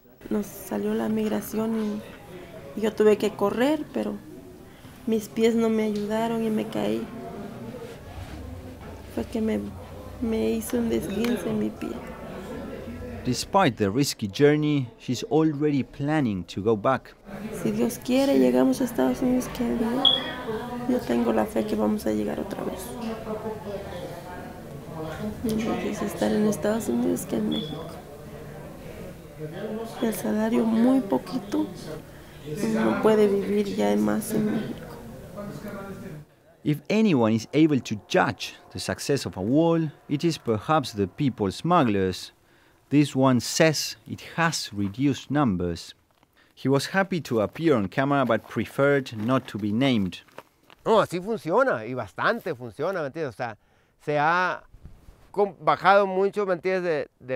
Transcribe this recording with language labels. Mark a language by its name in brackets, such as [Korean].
[Spanish] Nos salió la migración y yo tuve que correr, pero mis pies no me ayudaron y me caí. Fue que me hizo un desguince en mi pie. [English] Despite the risky journey, she's already planning to go back. [Spanish] Si Dios quiere, llegamos a Estados Unidos, que Dios. Yo tengo la fe que vamos a llegar otra vez. Entonces, estar en Estados Unidos que en México. El salario muy poquito. No puede vivir ya más en México. [English] If anyone is able to judge the success of a wall, it is perhaps the people smugglers. This one says it has reduced numbers. He was happy to appear on camera, but preferred not to be named. [Spanish] No, así funciona, y bastante funciona, ¿me entiendes? O sea, se ha bajado mucho, ¿me entiendes?